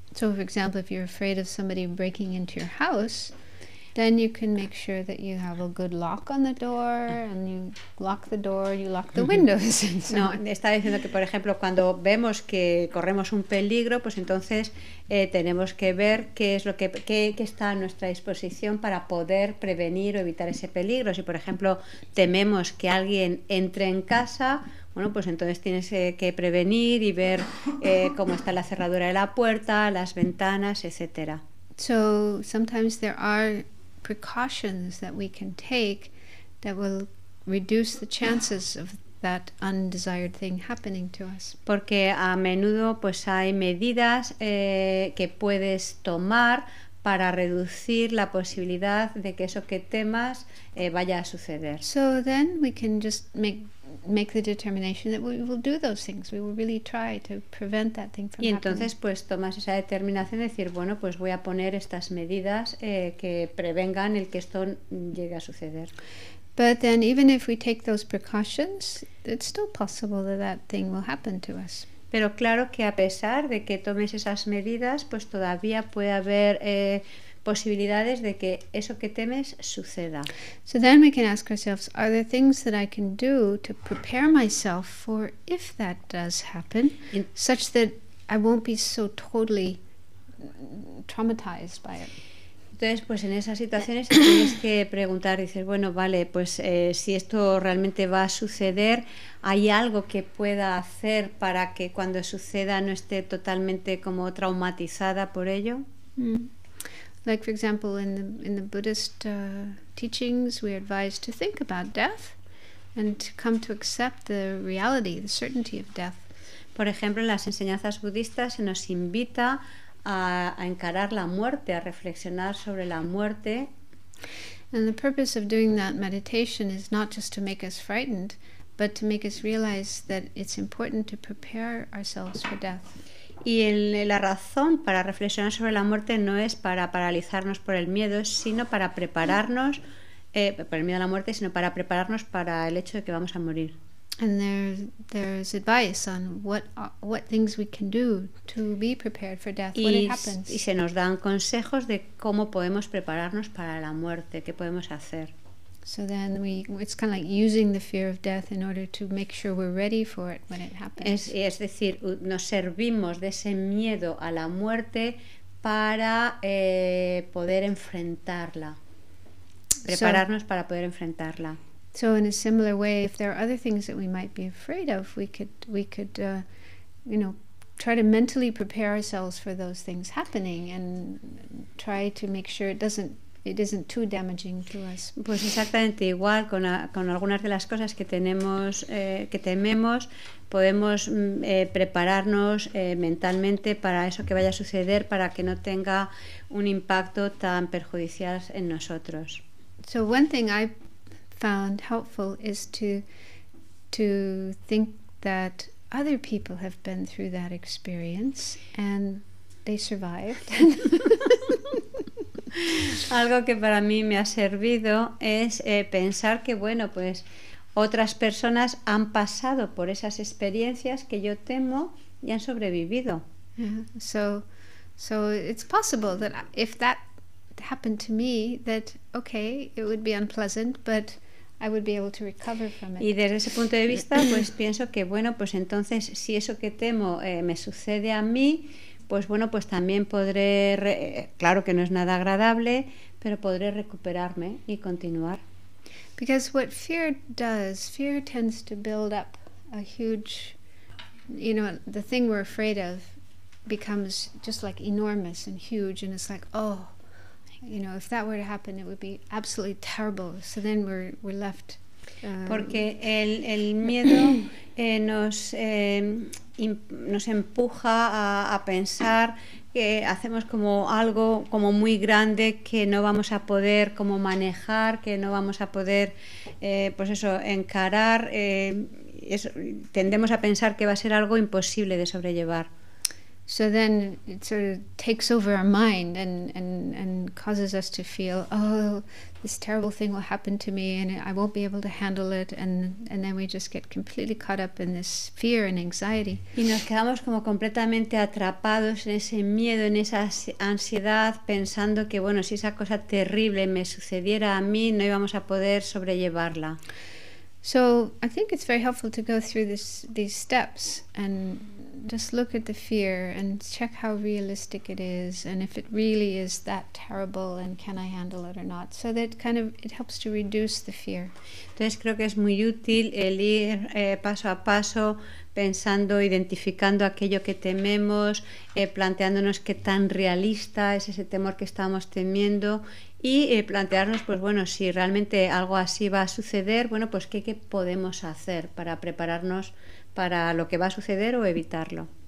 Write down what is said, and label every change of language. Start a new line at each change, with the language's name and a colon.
English: So, for example, if you're afraid of somebody breaking into your house, then you can make sure that you have a good lock on the door, and you lock the door, you lock the windows.
Spanish: No, está diciendo que, por ejemplo, cuando vemos que corremos un peligro, pues entonces tenemos que ver qué está a nuestra disposición para poder prevenir o evitar ese peligro. Si, por ejemplo, tememos que alguien entre en casa, bueno, pues entonces tienes que prevenir y ver cómo está la cerradura de la puerta, las ventanas, etcétera.
English: So sometimes there are precautions that we can take that will reduce the chances of that undesired thing happening to us.
Spanish: Porque a menudo pues hay medidas que puedes tomar para reducir la posibilidad de que eso que temas vaya a suceder.
English: So then we can just make the determination that we will do those things. We will really try to prevent that thing from happening.
Spanish: Y entonces pues tomas esa determinación de decir, bueno, pues voy a poner estas medidas que prevengan el que esto llegue a suceder.
English: But then even if we take those precautions, it's still possible that that thing will happen to us.
Spanish: Pero claro que a pesar de que tomes esas medidas, pues todavía puede haber posibilidades de que eso que temes suceda.
English: So then we can ask ourselves, are there things that I can do to prepare myself for if that does happen, such that I won't be so totally traumatized by it?
Spanish: Entonces, pues en esas situaciones tienes que preguntar, dices, bueno, vale, pues si esto realmente va a suceder, ¿hay algo que pueda hacer para que cuando suceda no esté totalmente como traumatizada por ello?
English: Like, for example, in the Buddhist teachings, we're advised to think about death and to come to accept the reality, the certainty of death.
Spanish: Por ejemplo, en las enseñanzas budistas se nos invita a encarar la muerte, a reflexionar sobre la muerte.
English: And the purpose of doing that meditation is not just to make us frightened, but to make us realize that it's important to prepare ourselves for death.
Spanish: Y la razón para reflexionar sobre la muerte no es para paralizarnos por el miedo, sino para prepararnos por el miedo a la muerte, sino para prepararnos para el hecho de que vamos a morir.
English: And there's advice on what things we can do to be prepared for death when it happens.
Spanish: Y se nos dan consejos de cómo podemos prepararnos para la muerte, qué podemos hacer.
English: So then it's kind of like using the fear of death in order to make sure we're ready for it when it happens.
Spanish: Es decir, nos servimos de ese miedo a la muerte para poder enfrentarla. Prepararnos so, para poder enfrentarla.
English: So in a similar way, if there are other things that we might be afraid of, we could you know, try to mentally prepare ourselves for those things happening and try to make sure it isn't too damaging to us.
Spanish: Pues exactamente igual con algunas de las cosas que tenemos que tememos, podemos prepararnos mentalmente para eso que vaya a suceder para que no tenga un impacto tan perjudicial en nosotros.
English: So one thing I found helpful is to think that other people have been through that experience and they survived.
Spanish: Algo que para mí me ha servido es pensar que, bueno, pues otras personas han pasado por esas experiencias que yo temo y han sobrevivido.
English: Yeah. So it's possible that if that happened to me, that okay, it would be unpleasant, but I would be able to recover from it.
Spanish: Y desde ese punto de vista, pues pienso que, bueno, pues entonces si eso que temo me sucede a mí, pues bueno, pues también podré, claro que no es nada agradable, pero podré recuperarme y continuar.
English: Because what fear does, fear tends to build up a huge, you know, the thing we're afraid of becomes just like enormous and huge, and it's like, oh, you know, if that were to happen, it would be absolutely terrible. So then we're left.
Spanish: Porque el miedo nos empuja a pensar que hacemos como algo como muy grande que no vamos a poder como manejar, que no vamos a poder pues eso, encarar. Eso, tendemos a pensar que va a ser algo imposible de sobrellevar.
English: So then it sort of takes over our mind and causes us to feel, oh, this terrible thing will happen to me and I won't be able to handle it, and then we just get completely caught up in this fear and anxiety.
Spanish: Y nos quedamos como completamente atrapados en ese miedo, en esa ansiedad, pensando que, bueno, si esa cosa terrible me sucediera a mí, no íbamos a poder sobrellevarla.
English: So I think it's very helpful to go through these steps and just look at the fear and check how realistic it is, and if it really is that terrible, and can I handle it or not? So that kind of it helps to reduce the fear.
Spanish: Entonces creo que es muy útil el ir paso a paso, pensando, identificando aquello que tememos, planteándonos qué tan realista es ese temor que estamos temiendo, y plantearnos, pues bueno, si realmente algo así va a suceder, bueno, pues qué podemos hacer para prepararnos para lo que va a suceder o evitarlo.